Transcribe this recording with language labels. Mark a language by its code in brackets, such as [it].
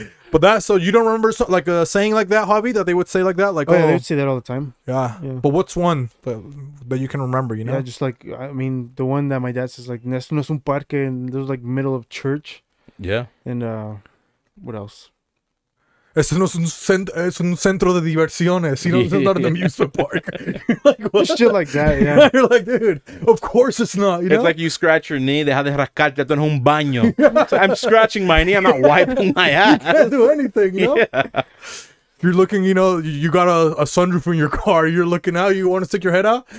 [en] But that, so you don't remember like a saying like that, Javi, that they would say like that? Like, yeah, they would say that all the time. Yeah. But what's one that you can remember, you know? Yeah, just like, I mean, the one that my dad says, like, [es] esto no es un parque, [en] and there's like middle of church. Yeah. And what else? [es] Esto no es un centro de diversiones. [en] You know, it's not an amusement park. Like, what? Shit like that, yeah. You're like, dude, of course it's not, you know? It's like you scratch your knee, they have to [es] rascarte en un baño. [en] I'm scratching my knee, I'm not wiping my ass. You can't do anything, you know? Yeah. You're looking, you know, you got a sunroof in your car, you're looking out, you want to stick your head out?